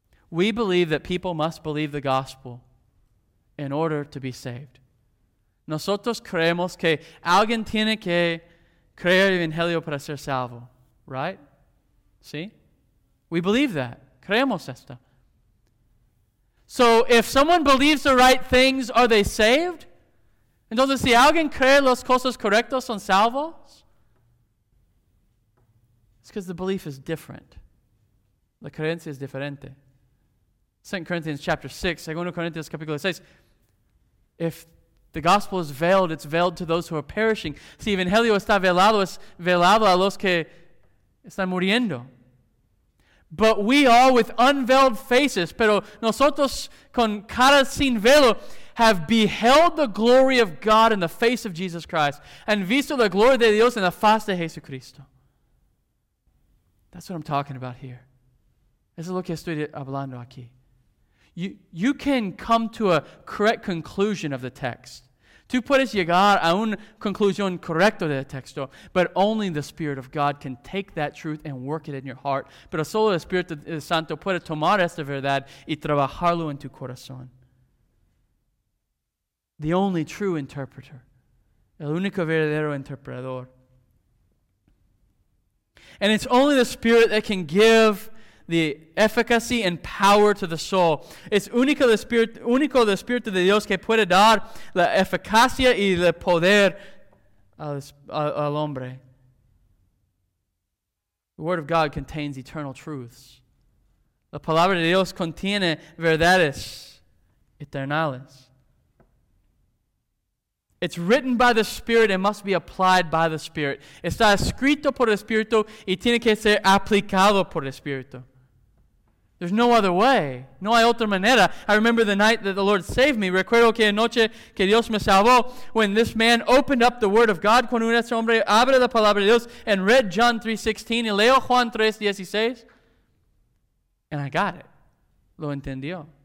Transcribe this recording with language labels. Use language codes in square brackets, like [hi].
[en] We believe that people must believe the gospel in order to be saved. [es] Nosotros creemos que alguien tiene que creer el evangelio para ser salvo. [en] Right? See? We believe that. [es] Creemos esto. [en] So if someone believes the right things, are they saved? [es] Entonces, si alguien cree las cosas correctas, son salvos? [en] It's because the belief is different. [es] La creencia es diferente. [en] 2 Corinthians chapter 6, 2 Corinthians capítulo 6. If the gospel is veiled, it's veiled to those who are perishing. [es] Si el evangelio está velado, es velado a los que están muriendo. [en] But we all with unveiled faces, [es] pero nosotros con cara sin velo, [en] have beheld the glory of God in the face of Jesus Christ and [es] visto la gloria de Dios en la faz de Jesucristo. [en] That's what I'm talking about here. [es] Eso es lo que estoy hablando aquí. [en] You can come to a correct conclusion of the text. [es] Tú puedes llegar a una conclusión correcta del texto, [en] but only the Spirit of God can take that truth and work it in your heart. [es] Pero solo el Espíritu Santo puede tomar esta verdad y trabajarlo en tu corazón. [en] The only true interpreter. [es] El único verdadero interpretador. [en] And it's only the Spirit that can give the efficacy and power to the soul. [es] Es único el Espíritu de Dios que puede dar la eficacia y el poder al hombre. [en] The Word of God contains eternal truths. [es] La Palabra de Dios contiene verdades eternales. [en] It's written by the Spirit and must be applied by the Spirit. [es] Está escrito por el Espíritu y tiene que ser aplicado por el Espíritu. [en] There's no other way. No hay otra manera. I remember the night that the Lord saved me. [es] Recuerdo que anoche que Dios me salvó [en] when this man opened up the Word of God. [es] Cuando un hombre abre la Palabra de Dios [en] and read John 3:16 [es] y leo Juan 3:16. [en] And I got it. [es] Lo entendió.